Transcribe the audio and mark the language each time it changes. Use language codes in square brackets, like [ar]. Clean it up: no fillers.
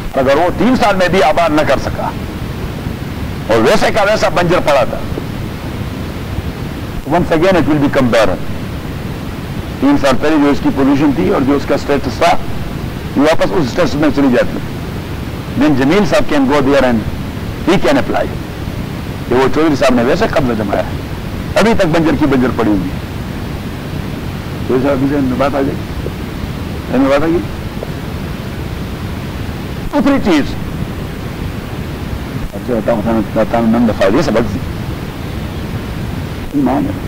[hi] अगर वो 3 साल में भी आबाद न कर सका और वैसे का वैसा बंजर पड़ा था, [en] once again it will become barren. [hi] 3 साल पहले जो उसकी पोजीशन थी और जो उसका स्टेटस था, वो वापस उस स्टेटस में चली जाती. [en] Then Jameel साहब can go there and he can apply. [hi] ये वो चौधरी साहब ने वैसे कब्जा जमाया है, अभी तक बंजर की बंजर पड़ी हुई है. चौधरी साहब से बात आ जाएगी, बात आ गई. दूसरी चीज जो बताऊ नंद फायदे से बच गई, ईमान.